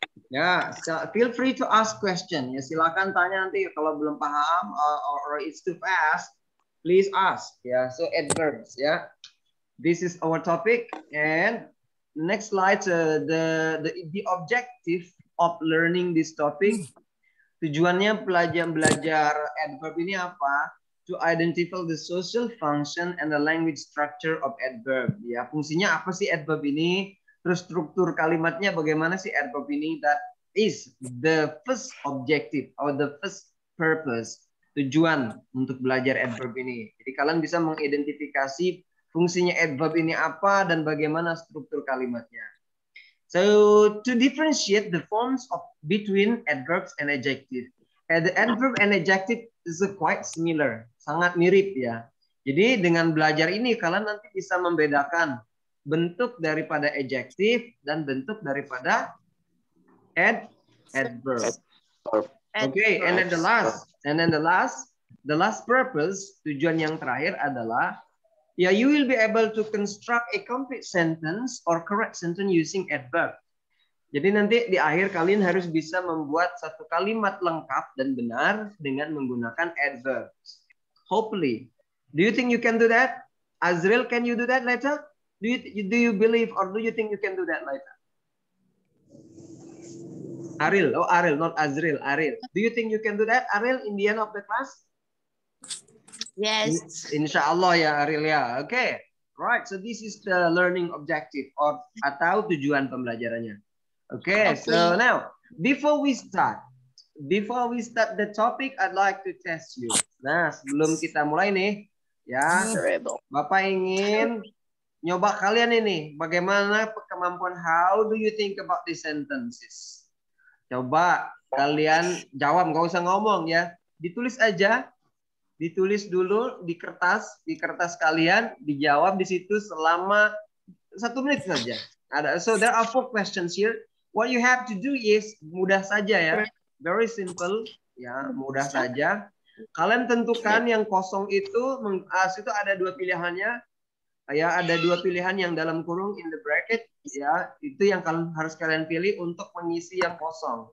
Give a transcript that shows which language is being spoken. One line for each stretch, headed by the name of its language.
English: Ya, yeah, feel free to ask question. Ya,
Indonesian: silakan tanya nanti kalau belum paham
English: or it's too fast, please ask. Ya, yeah, so adverbs. Ya, yeah. This is our topic and next slide the objective of learning this topic.
Indonesian: Tujuannya belajar adverb ini apa?
English: To identify the social function and the language structure of adverb.
Indonesian: Ya, yeah, fungsinya apa sih adverb ini? Terus struktur kalimatnya bagaimana sih adverb ini?
English: That is the first objective or the first purpose,
Indonesian: tujuan untuk belajar adverb ini. Jadi kalian bisa mengidentifikasi fungsinya adverb ini apa dan bagaimana struktur kalimatnya.
English: So to differentiate the forms of between adverbs and adjectives. And the adverb and adjective is quite similar,
Indonesian: sangat mirip ya. Jadi dengan belajar ini kalian nanti bisa membedakan bentuk daripada adjective dan bentuk daripada adverb.
English: Okay, and then the last purpose,
Indonesian: tujuan yang terakhir adalah
English: yeah, you will be able to construct a complete sentence or correct sentence using adverb.
Indonesian: Jadi nanti di akhir kalian harus bisa membuat satu kalimat lengkap dan benar dengan menggunakan adverbs.
English: Hopefully. Do you think you can do that? Azril, can you do that later? Do you believe or do you think you can do that later? Aril, oh Aril, not Azril, Aril. Do you think you can do that, Aril, in the end of the class? Yes. Insyaallah ya, Aril ya. Okay, right. So this is the learning objective or
Indonesian: atau tujuan pembelajarannya.
English: Okay. So now, before we start the topic, I'd like to test you.
Indonesian: Nah, sebelum kita mulai nih, ya, Bapak ingin nyoba kalian ini bagaimana kemampuan.
English: How do you think about these sentences?
Indonesian: Coba kalian jawab, nggak usah ngomong ya. Ditulis aja. Ditulis dulu di kertas kalian, dijawab di situ selama 1 menit saja.
English: Ada so there are 4 questions here. What you have to do is
Indonesian: mudah saja ya.
English: Very simple
Indonesian: ya, mudah saja. Kalian tentukan yang kosong itu, as itu ada 2 pilihannya. Ya, ada 2 pilihan yang dalam kurung
English: in the bracket
Indonesian: ya, itu yang kalian harus kalian pilih untuk mengisi yang kosong.